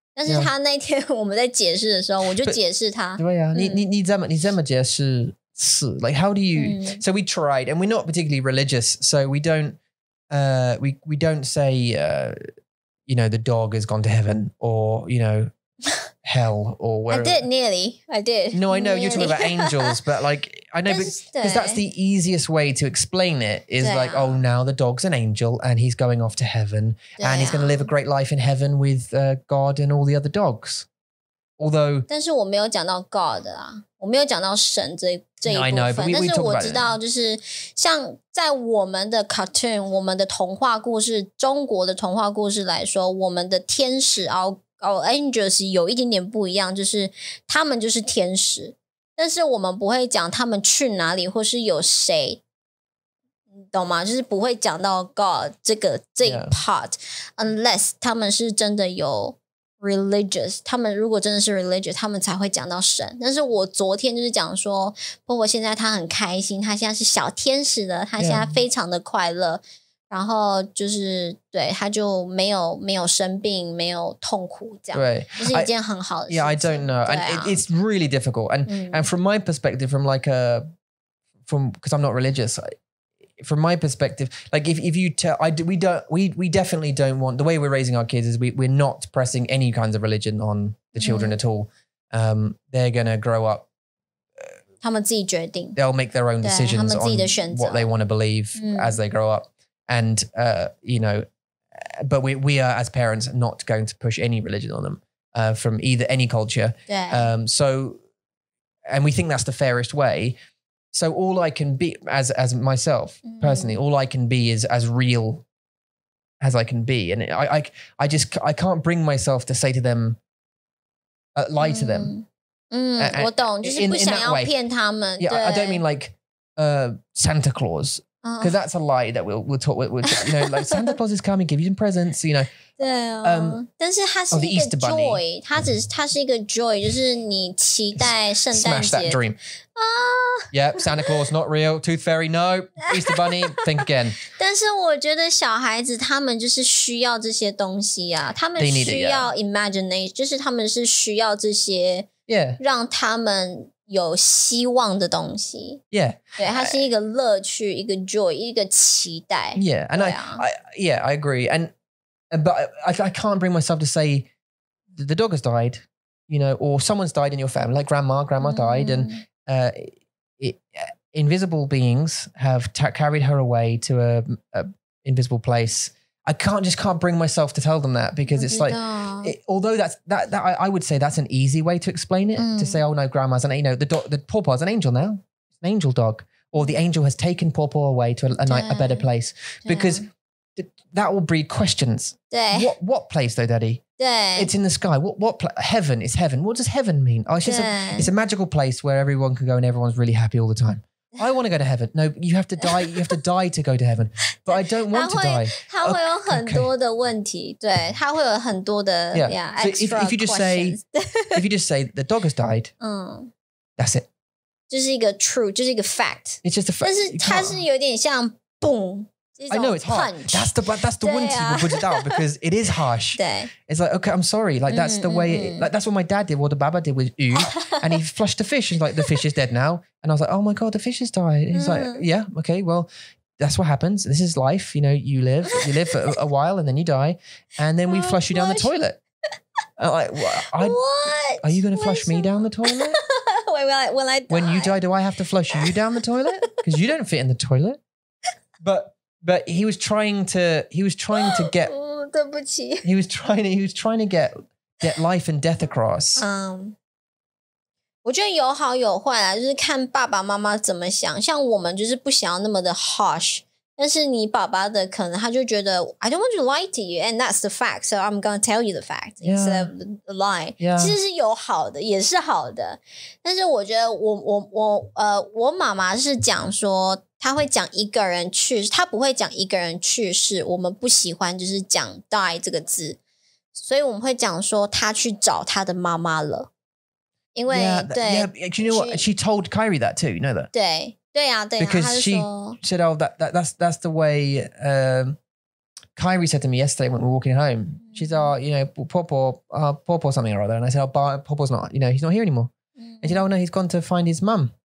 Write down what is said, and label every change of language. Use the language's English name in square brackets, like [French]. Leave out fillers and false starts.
[Chinese] 但是她那天我们在解释的时候我就解释她。对啊、嗯、你这么解释是 [English] like how do you,、嗯、so we tried, and we're not particularly religious, so we don't,we don't say, you know, the dog has gone to heaven or, you know, hell or wherever. I did. No, I know、nearly. You're talking about angels, but like, I know, because that's the easiest way to explain it is、啊、like, oh, now the dog's an angel and he's going off to heaven、啊、and he's going to live a great life in heaven with、God and all the other dogs. Although... [Chinese] 但是我没有讲到 God 啊。我没有讲到神这这一部分 [English] no, I know, but we, [Chinese] 但是我知道就是像在我们的 cartoon 我们的童话故事中国的童话故事来说我们的天使 [English] our angels [Chinese] 有一点点不一样就是他们就是天使但是我们不会讲他们去哪里或是有谁懂吗就是不会讲到 God 这个这一 part、yeah. [English] unless [Chinese] 他们是真的有religious, 他们如果真的是 religious, 他们才会讲到神。但是我昨天就是讲说婆婆现在她很开心她现在是小天使的她现在非常的快乐。 [English] Yeah. [Chinese] 然后就是对她就没有生病没有痛苦这样。 [English] Right. [Chinese] 就是一件很好的事情。 [English] Yeah, I don't know.、啊、 and it's really difficult. And,、mm. and from my perspective, from like a, from, because I'm not religious, from my perspective, like if you tell, we definitely don't want, the way we're raising our kids is we're not pressing any kinds of religion on the children、mm. at all. They're going to grow up. [Chinese] 他们自己决定 [English] They'll make their own decisions on what they want to believe、mm. as they grow up. And,、you know, but we are as parents not going to push any religion on them、from either any culture.、So, and we think that's the fairest way. So all I can be as myself personally,、mm. all I can be is as real as I can be. And I just, I can't bring myself to say to them,、lie、mm. to them. [Chinese] 嗯、mm, 我懂就是不想要骗他们 [English] Yeah, I don't mean like、Santa Claus, because、that's a lie that we'll talk with, you know, like Santa Claus is coming, give you some presents, you know. [Chinese] 对哦、但是它是、 oh, 一个 joy, 它是一个 joy, 就是你期待圣诞节。 [English] Smash that dream. Yep, Santa Claus, not real. Tooth Fairy, no. Easter Bunny, think again. [Chinese] 但是我觉得小孩子他们就是需要这些东西啊。他们需要 imagination, [English] it,、yeah. [Chinese] 就是他们是需要这些、 [English] yeah. [Chinese] 让他们有希望的东西。 [English] Yeah. [Chinese] 对，它是一个乐趣、一个 joy, 一个期待。 [English] Yeah, and、啊、 I agree. But I can't bring myself to say the dog has died, you know, or someone's died in your family, like grandma died、mm-hmm. and,invisible beings have carried her away to an invisible place. I just can't bring myself to tell them that because it's like, although I would say that's an easy way to explain it,、mm. to say, oh no, grandma's, and you know, the pawpaw's an angel now, an angel dog, or the angel has taken pawpaw away to a better place because that will breed questions. What place though, daddy? [Chinese] 对 [English] It's in the sky. Heaven is heaven. What does heaven mean? Oh, it's a magical place where everyone can go and everyone's really happy all the time. I want to go to heaven. No, you have to die. You have to die to go to heaven. But I don't want to die. [Chinese] 他会有很多的问题，对，他会有很多的 [English] yeah. extra questions. So if you just say the dog has died, that's it. [Chinese] 就是一个 truth, 就是一个 fact. [English] It's just a fact. [Chinese] 但是它是有点像 boom. [English] I know, it's harsh. That's the one to put it out because it is harsh. It's like, okay, I'm sorry. Like, that's the way, like, that's what my dad did, what the baba did with you. And he flushed the fish. He's like, the fish is dead now. And I was like, oh my God, the fish has died. He's like, yeah, okay, well, that's what happens. This is life. You know, you live for a while and then you die. And then we flush you down the toilet. I'm like, what? Are you going to flush me down the toilet? When you die, do I have to flush you down the toilet? Because you don't fit in the toilet. But he was trying to get [Chinese] oh, 对不起. [English] He was trying to get life and death across. [Chinese] 我觉得有好有坏啦，就是看爸爸妈妈怎么想。像我们就是不想要那么的 harsh 但是你爸爸的可能他就觉得 [English] I don't want to lie to you and that's the fact so I'm going to tell you the fact instead of the lie、 yeah. [Chinese] 其实是有好的也是好的但是我觉得 我妈妈是讲说他会讲一个人去世他不会讲一个人去世我们不喜欢就是讲 die 这个字所以我们会讲说他去找他的妈妈了因为 [English] yeah, [Chinese] 对 [English] yeah, you know what? She told Kyrie that too you know that [Chinese] 对对啊对啊 [English] because she said, oh, that's the way、Kyrie said to me yesterday when we were walking home. She said, oh, you know, popo something or other. And I said, oh, popo's not, you know, he's not here anymore.、Mm. And she said, oh, no, he's gone to find his mum.